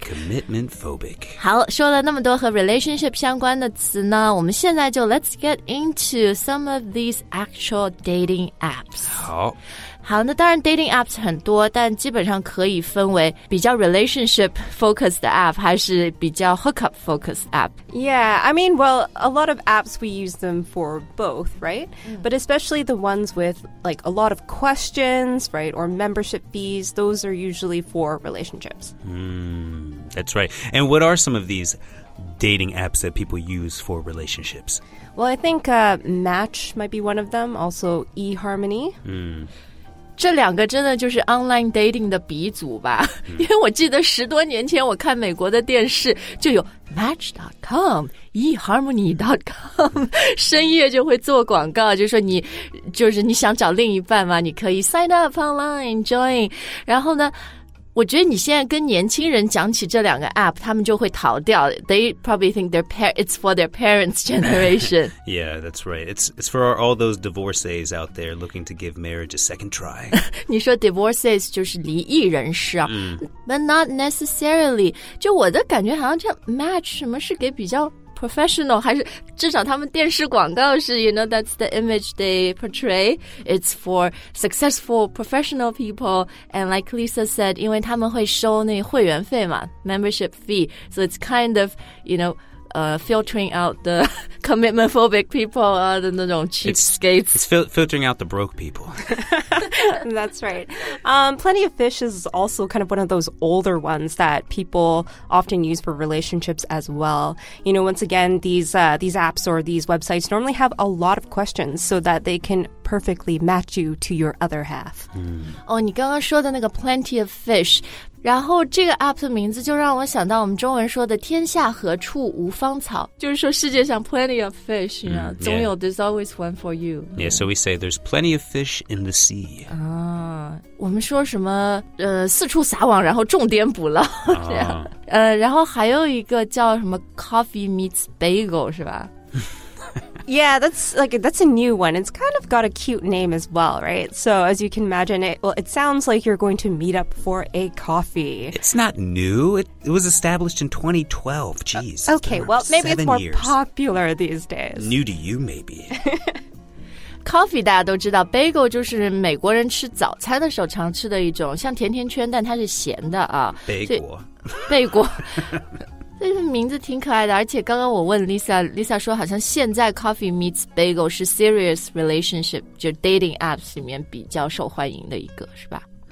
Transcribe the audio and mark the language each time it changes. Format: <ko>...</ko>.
<en>commitment phobic</en> <zh>好说了那么多和 relationship 相关的词呢我们现在就</zh> <en>let's get into some of these actual dating apps</en> <zh>好那当然 dating apps 很多但基本上可以分为比较 relationship focused 的 app 还是比较 hookup focused app</zh> <en>Yeah, I mean, well, a lot of apps we use them for both, right?、But especially the ones with like a lot of questions right or membership fees those are usually for relationships、 that's right and what are some of these dating apps that people use for relationships well I think match might be one of them also eHarmony、</en> <zh>这两个真的就是 online dating 的鼻祖吧、嗯、因为我记得十多年前我看美国的电视就有 match.com eharmony.com 深夜就会做广告，就是说你想找另一半吗，你可以</zh> <en>sign up online join。</en> <zh>然后呢，我觉得你现在跟年轻人讲起这两个 app， 他们就会逃掉。</zh> <en>They probably think their it's for their parents' generation. Yeah, that's right. It's for all those divorcees out there looking to give marriage a second try.</en> <zh>你说 divorcees 就是离异人士啊、mm. ？</zh> <en>But not necessarily.</en> <zh>就我的感觉，好像这 match 什么是给比较 professional， 还是至少他们电视广告是 ，</zh> <en>you know that's the image they portray. It's for successful professional people, and like Lisa said,</en> <zh>因为他们会收那会员费嘛</zh> <en>，membership fee. So it's kind of you know, filtering out the commitment phobic people or the</en> <zh>那种</zh> <en>cheapskates. It's filtering out the broke people. That's right. Plenty of Fish is also kind of one of those older ones that people often use for relationships as well. You know, once again, these apps or these websites normally have a lot of questions so that they can perfectly match you to your other half. Mm.</en> <zh>Oh, 你刚刚说的那个 Plenty of Fish, 然后这个 app 的名字就让我想到我们中文说的天下何处无芳草，就是说世界上 Plenty of Fish,</zh> <en>you know,、</en> <zh>mm, 总有、</zh> <en>yeah. there's always one for you. Yeah, so we say there's plenty of fish in the sea.</en> <zh>我们说什么四处撒网然后重点捕捞、oh. 这样然后还有一个叫什么 coffee meets bagel 是吧</zh> <en>Yeah, that's a new one. It's kind of got a cute name as well, right? So as you can imagine, it sounds like you're going to meet up for a coffee. It's not new. It was established in 2012. Jeez. Okay, well, maybe it's more popular these days. New to you, maybe.</en> <zh>Coffee 大家都知道 ，bagel 就是美国人吃早餐的时候常吃的一种，像甜甜圈，但它是咸的啊。贝果。这个名字挺可爱的，而且刚刚我问 Lisa 说好像现在 Coffee Meets Bagel 是 Serious Relationship 就 Dating Apps 里面比较受欢迎的一个是吧？</zh>